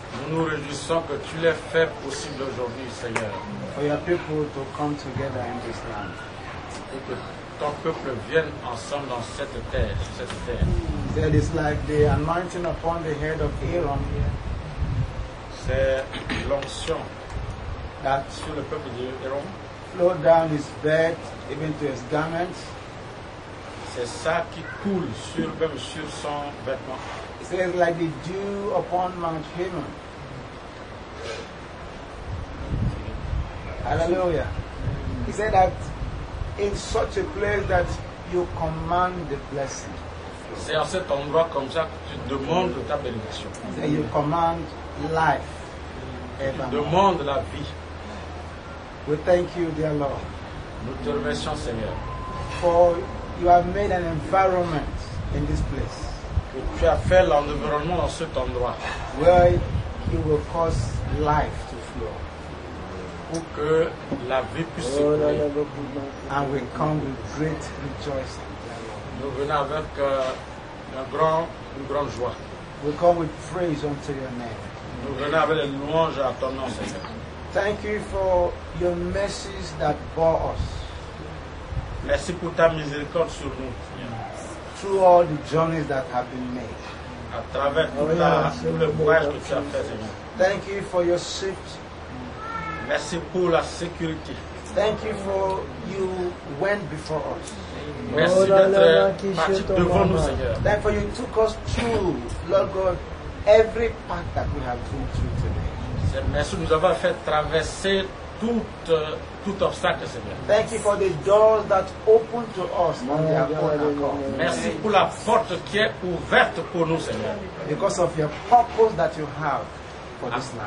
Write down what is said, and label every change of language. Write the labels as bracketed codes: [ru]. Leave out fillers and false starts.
[fr] Nous nous réjouissons que tu l'aies fait possible aujourd'hui, Seigneur. [en] For your people to come together in this land. [fr] Pour que ton peuple vienne ensemble dans cette terre, cette terre. [en] That is like the anointing upon the head of Aaron. [fr] C'est l'onction that sur le peuple de Aaron. [en] Flowed down his bed, even to his garments. [fr] C'est ça qui coule sur même sur son vêtement. [en] It says like the dew upon Mount Hermon. Hallelujah. He said that in such a place that you command the blessing. [fr] C'est en cet endroit comme ça que tu demandes ta bénédiction. [en] That you command life. Evermore. [fr] Demande la vie. [en] We thank you, dear Lord. [fr] Nous te remercions, Seigneur. [en] For you have made an environment in this place. [fr] Tu as fait l'environnement dans cet endroit. [en] Where he will cause life to flow. [fr] Pour que la vie puisse s'écouler. [en] And we come with great rejoicing. [fr] Nous venons avec une grande joie. [en] We come with praise unto your name. [fr] Nous venons avec les louanges à ton nom, Seigneur. [en] Thank you for your mercies that bore us. [fr] Merci pour ta miséricorde sur nous. [en] Through all the journeys that have been made. [fr] À travers tout le voyage que tu as fait, Seigneur. [en] Thank you for your safety. [fr] Merci pour la sécurité. [en] Thank you for you went before us. [fr] Merci d'être parti devant nous, Seigneur. [en] Thank you for you took us through, Lord God, every path that we have been through today. [fr] Merci, nous avons fait traverser tout obstacle, Seigneur. [en] Thank you for the doors that open to us. [fr] Merci pour la porte qui est ouverte pour nous, Seigneur. [en] Because of your purpose that you have for this land.